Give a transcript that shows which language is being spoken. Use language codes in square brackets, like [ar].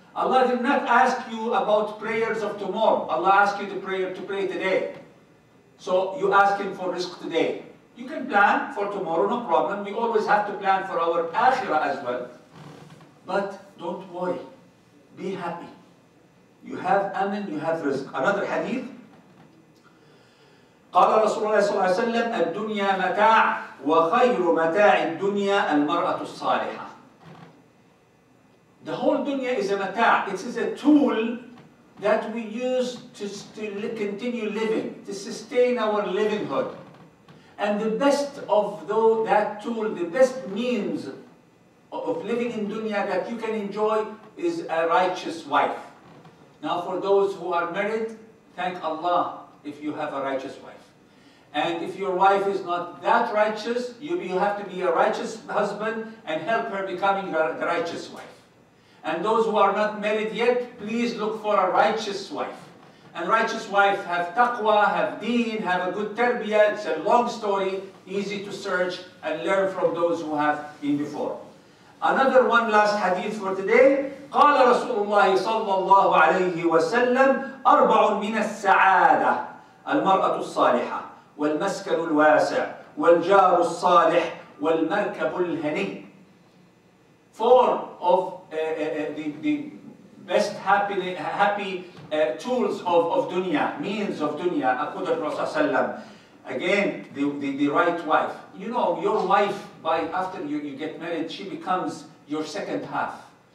[en] Allah did not ask you about prayers of tomorrow. Allah asked you to pray today. So you ask Him for risk today. You can plan for tomorrow, no problem. We always have to plan for our akhirah as well. But don't worry. Be happy. You have amen, you have risk. Another hadith. [ar] قال رسول الله صلى الله عليه وسلم الدنيا متاع وخير متاع الدنيا المرأة الصالحة. [en] The whole dunya is a mata', it is a tool that we use to continue living, to sustain our livinghood. And the best of that tool, the best means of living in dunya that you can enjoy is a righteous wife. Now for those who are married, thank Allah if you have a righteous wife. And if your wife is not that righteous, you have to be a righteous husband and help her becoming the righteous wife. And those who are not married yet, please look for a righteous wife. And righteous wife have taqwa, have deen, have a good tarbiyah. It's a long story, easy to search and learn from those who have been before. Another one last hadith for today. [ar] قال رسول الله صلى الله عليه وسلم أربع من السعادة المرأة الصالحة والمسكن الواسع والجار الصالح والمركب الهني. [en] Four of the best happy tools of dunya, means of dunya, according to Rasulullah Sallallahu Alaihi Wasallam. Again, the right wife. You know, your wife, after you get married, she becomes your second half.